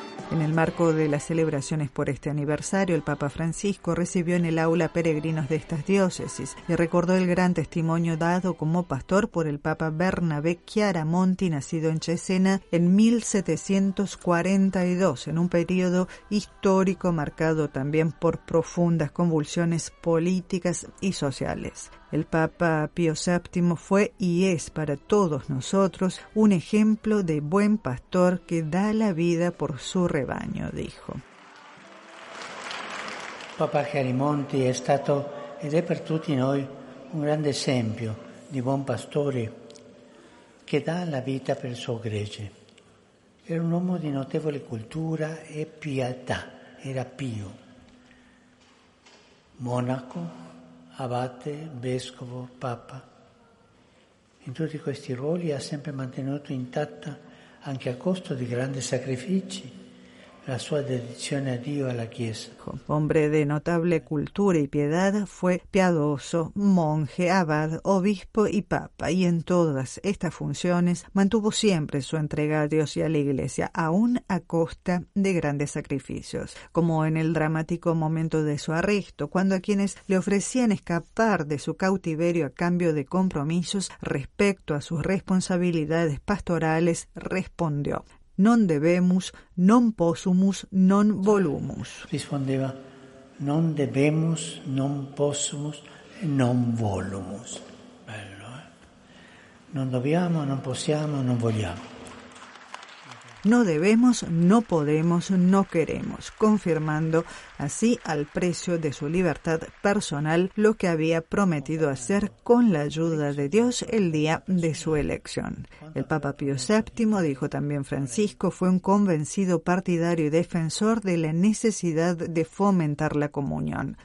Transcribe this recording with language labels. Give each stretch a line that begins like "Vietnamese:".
Spanish: En el marco de las celebraciones por este aniversario, el Papa Francisco recibió en el aula peregrinos de estas diócesis y recordó el gran testimonio dado como pastor por el Papa Bernabé Chiaramonti, nacido en Cesena en 1742, en un periodo histórico marcado también por profundas convulsiones políticas y sociales. El Papa Pío VII fue y es para todos nosotros un ejemplo de buen pastor que da la vida por su rebaño, dijo.
Italian: Papa Chiaramonti è stato ed è per tutti noi un grande esempio di buon pastore che dà la vita per il suo gregge. Era un uomo di notevole cultura e pietà, era pio. Monaco, abate, vescovo, papa. In tutti questi ruoli ha sempre mantenuto intatta, anche a costo di grandi sacrifici, la sua dedizione a Dio e alla Chiesa.
Spanish: Hombre de notable cultura y piedad, fue piadoso, monje, abad, obispo y papa, y en todas estas funciones mantuvo siempre su entrega a Dios y a la Iglesia, aún a costa de grandes sacrificios, como en el dramático momento de su arresto, cuando a quienes le ofrecían escapar de su cautiverio a cambio de compromisos respecto a sus responsabilidades pastorales, respondió:
Latin: non debemus, non possumus, non volumus.
Italian: Rispondeva:
Latin: non debemus, non possumus, non volumus.
Italian: Bello, Non dobbiamo, non possiamo, non vogliamo.
Spanish: No debemos, no podemos, no queremos, confirmando así al precio de su libertad personal lo que había prometido hacer con la ayuda de Dios el día de su elección. El Papa Pío VII, dijo también Francisco, fue un convencido partidario y defensor de la necesidad de fomentar la comunión.